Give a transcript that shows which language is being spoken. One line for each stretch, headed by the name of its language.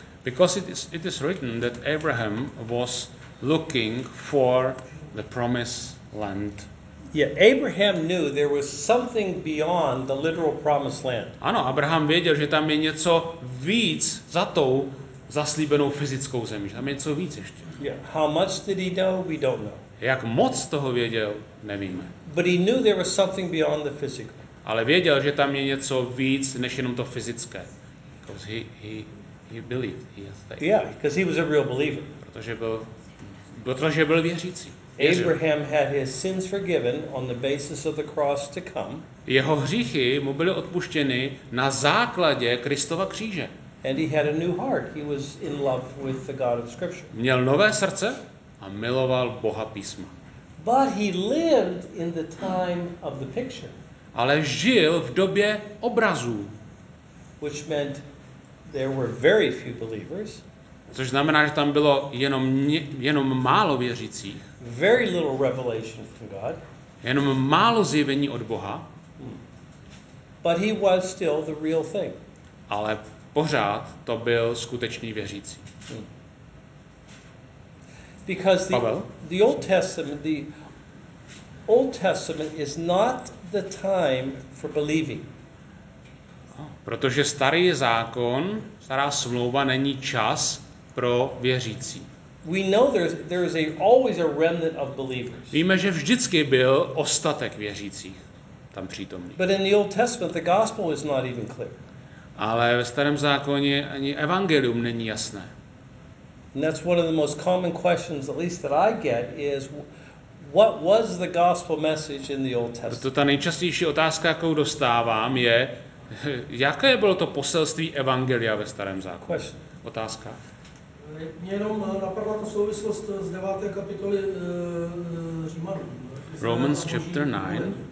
English: Because it is written that Abraham was looking for the promised land. Yeah, Abraham knew there was something beyond the literal promised land.
Czech: Ano, Abraham věděl, že tam je něco víc za tou zaslíbenou fyzickou zemí. Tam je něco víc ještě.
English: Yeah, how much did he know? We don't know.
Czech: Jak moc toho věděl, nevíme.
English: But he knew there was something beyond the physical.
Czech: Ale věděl, že tam je něco víc než jenom to fyzické.
English: Because he believed. He has faith. Yeah, because he was a real believer.
Czech: Protože byl věřící. Věřil.
English: Abraham had his sins forgiven on the basis of the cross to come.
Czech: Jeho hříchy mu byly odpuštěny na základě Kristova kříže.
English: And he had a new heart. He was in love with the God of Scripture.
Czech: Měl nové srdce a miloval Boha písma.
English: But he lived in the time of the picture.
Czech: Ale žil v době obrazů.
English: Which meant there were very few believers.
Czech: Což znamená, že tam bylo jenom málo věřících.
English: Very little revelation from God.
Czech: Jenom málo zjevení od Boha.
English: But he was still the real thing.
Czech: Ale pořád to byl skutečný věřící.
English: Because the Old Testament, the Old Testament is not the time for believing.
Czech: Protože starý zákon, stará smlouva není čas pro věřící.
English: We know there is always a remnant of believers.
Czech: Víme, že vždycky byl ostatek věřících tam přítomný.
English: But in the Old Testament the gospel is not even clear.
Czech: Ale ve starém zákoně ani evangelium není jasné.
English: And that's one of the most common questions, at least that I get, is what was the gospel message in the Old Testament?
Czech: Proto ta nejčastější otázka, jakou dostávám, je jaké bylo to poselství evangelia ve starém zákoně?
English: Question.
Czech: Otázka. Mě jenom napadla ta souvislost z 9. kapitoly Římanů.
English: Romans chapter 9.